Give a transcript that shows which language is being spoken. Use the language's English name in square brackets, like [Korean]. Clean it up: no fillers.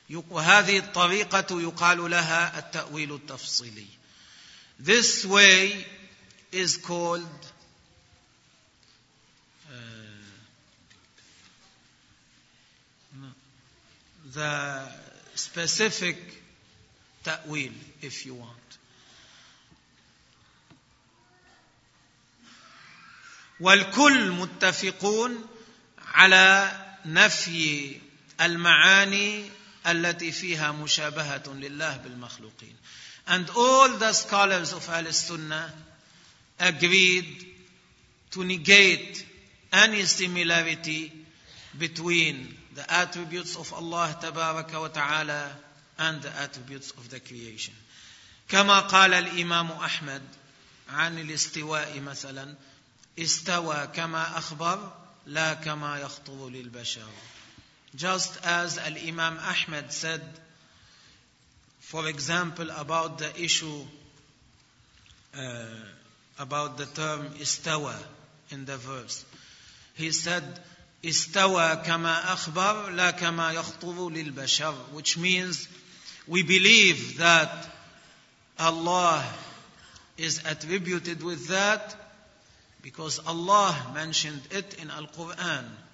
[Arabic] وهذه الطريقة يقال لها التأويل التفصيلي. [English] This way is called the specific ta'wil, if you want. [Arabic] والكل متفقون على نفي المعاني التي فيها مشابهة لله بالمخلوقين. [English] And all the scholars of Al-Sunnah agreed to negate any similarity between the attributes of Allah [Arabic] تبارك وتعالى [English] and the attributes of the creation. [Arabic] كما قال الإمام أحمد عن الاستواء مثلا استوى كما أخبر لا كما يخطر للبشر. [English] Just as الإمام أحمد said, for example, about the issue about the term استوى in the verse, he said [Arabic] استوى كما أخبر لا كما يخطر للبشر, [English] which means we believe that Allah is attributed with that because Allah mentioned it in Al-Quran.